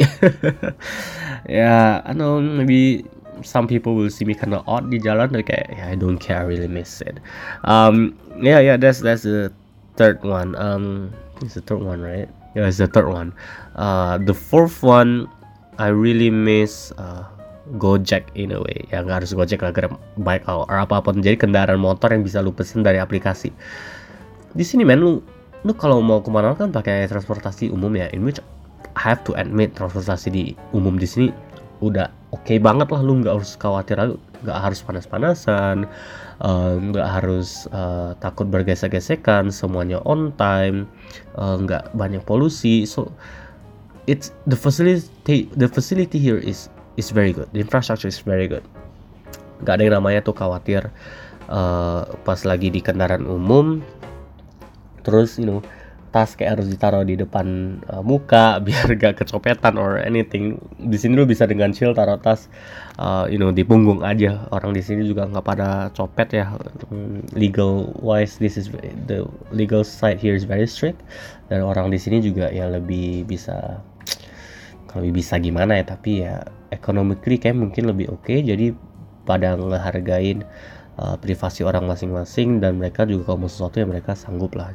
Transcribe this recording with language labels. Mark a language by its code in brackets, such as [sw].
[en] Ya, yeah, I know, maybe some people will see me kind of odd [id] di jalan, tapi kayak, [en] yeah, I don't care, I really miss it. That's the third one. It's the third one, right? Yeah, it's the third one. The fourth one, I really miss Gojek in a way. [id] Ya gak harus Gojek lah, Grab bike or apapun. Jadi kendaraan motor yang bisa lu pesen dari aplikasi. Di sini men, lu kalau mau kemana kan pakai transportasi umum ya. [en] In which I have to admit [id] transportasi di umum di sini udah okay banget lah. Lu gak harus khawatir, lu gak harus panas-panasan, gak harus takut bergesek-gesekan, semuanya on time, gak banyak polusi. [en] So it's the facility here is it's very good. The infrastructure is very good. [id] Gak ada yang namanya tuh khawatir pas lagi di kendaraan umum. Terus, you know, tas kayak harus ditaruh di depan muka biar gak kecopetan or anything. Di sini lu bisa dengan chill taruh tas, di punggung aja. Orang di sini juga gak pada copet ya. [en] Legal wise, this is the legal side here is very strict. [id] Dan orang di sini juga ya lebih bisa. Lebih bisa gimana ya, tapi ya economically kayak mungkin lebih oke. Jadi pada ngehargain privasi orang masing-masing, dan mereka juga kalau mau sesuatu ya mereka sanggup lah.